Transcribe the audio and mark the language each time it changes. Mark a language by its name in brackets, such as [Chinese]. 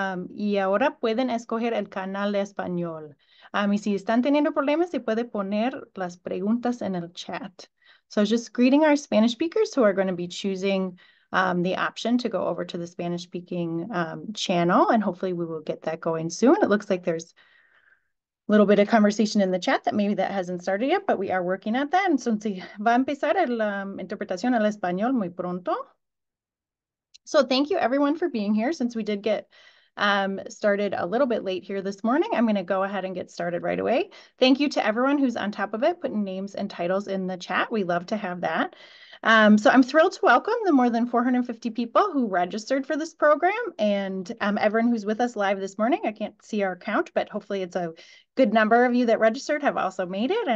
[Spanish] Y ahora pueden escoger el canal de español. Y si están teniendo problemas, se puede poner las preguntas en el chat. [English] So just greeting our Spanish speakers who are going to be choosing the option to go over to the Spanish-speaking channel, and hopefully we will get that going soon. It looks like there's a little bit of conversation in the chat that maybe that hasn't started yet, but we are working at that. [Spanish] Entonces, va a empezar la interpretación al español muy pronto. [English] So thank you everyone for being here. Since we did get started a little bit late here this morning, I'm going to go ahead and get started right away. Thank you to everyone who's on top of it, putting names and titles in the chat. We love to have that. So I'm thrilled to welcome the more than 450 people who registered for this program and everyone who's with us live this morning. I can't see our count, but hopefully it's a good number of you that registered have also made it.